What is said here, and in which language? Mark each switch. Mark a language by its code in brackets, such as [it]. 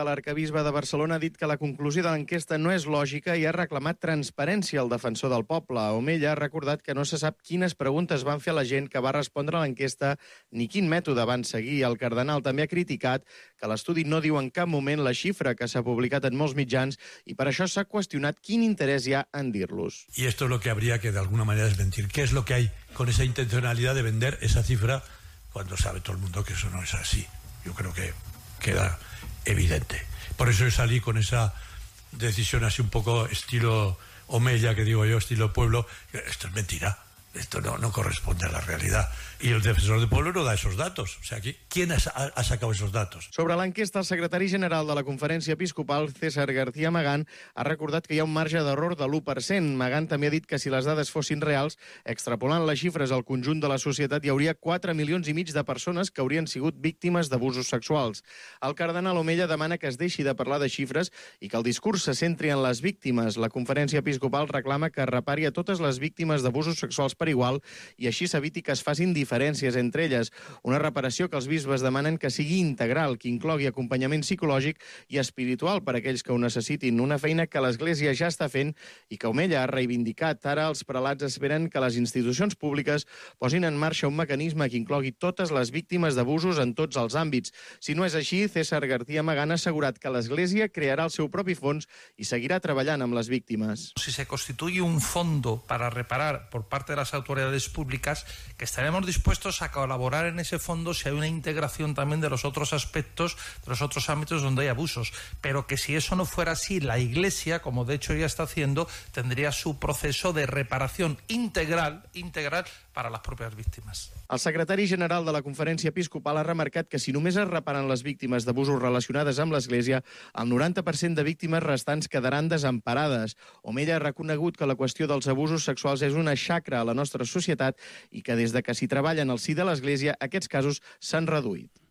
[ca] L'arcabisbe de Barcelona ha dit que la conclusió de l'enquesta no és lògica i ha reclamat transparència al defensor del poble. Omella ha recordat que no se sap quines preguntes van fer la gent que va respondre a l'enquesta ni quin mètode van seguir. El cardenal també ha criticat que l'estudi no diu en cap moment la xifra que s'ha publicat en molts mitjans i per això s'ha qüestionat quin interès hi ha en dir-los. [es] Y esto es lo que habría que de alguna manera desmentir. ¿Qué es lo que hay con esa intencionalidad de vender esa cifra cuando sabe todo el mundo que eso no es así? Yo creo que queda evidente. Por eso yo salí con esa decisión así un poco estilo Omella, que digo yo, estilo pueblo. Esto es mentira. Esto no corresponde a la realidad. Y el defensor del pueblo no da esos datos. O sea, ¿quién ha sacado esos datos? [ca] Sobre l'enquesta, el secretari general de la Conferència Episcopal, César García Magán, ha recordat que hi ha un marge d'error de l'1%. Magán també ha dit que si les dades fossin reals, extrapolant les xifres al conjunt de la societat, hi hauria 4 milions i mig de persones que haurien sigut víctimes d'abusos sexuals. El cardenal Omella demana que es deixi de parlar de xifres i que el discurs se centri en les víctimes. La Conferència Episcopal reclama que repari a totes les víctimes d'abusos sexuals per igual i així s'eviti que es facin diferències entre elles. Una reparació que els bisbes demanen que sigui integral, que inclogui acompanyament psicològic i espiritual per a aquells que ho necessitin. Una feina que l'Església ja està fent i que Omella ha reivindicat. Ara els prelats esperen que les institucions públiques posin en marxa un mecanisme que inclogui totes les víctimes d'abusos en tots els àmbits. Si no és així, César García Magán ha assegurat que l'Església crearà el seu propi fons i seguirà treballant amb les víctimes. [es] Si se constituye un fondo para reparar por parte de las autoridades públicas, que estaremos dispuestos a colaborar en ese fondo si hay una integración también de los otros aspectos, de los otros ámbitos donde hay abusos. Pero que si eso no fuera así, la Iglesia, como de hecho ya está haciendo, tendría su proceso de reparación integral para las propias víctimas. [ca] El secretari general de la Conferència Episcopal ha remarcat que si només es reparen les víctimes d'abusos relacionades amb l'Església, el 90% de víctimes restants quedaran desemparades. Omella ha reconegut que la qüestió dels abusos sexuals és una xacra a la nostra societat i que des de que s'hi treballa en el si de l'Església, aquests casos s'han reduït.